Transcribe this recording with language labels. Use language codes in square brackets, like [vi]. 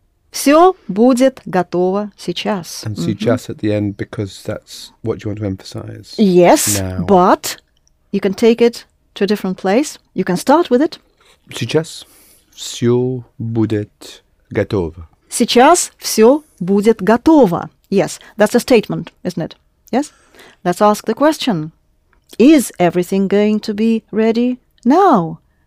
[ru] Все будет готово сейчас. [en] And сейчас mm-hmm. at the end because that's what you want to emphasize. Yes, now. But you can take it to a different place. You can start with it. [ru] Сейчас все будет готово. Сейчас все будет готово. [en] Yes, that's a statement, isn't it? Yes? Let's ask the question. Is everything going to be ready now?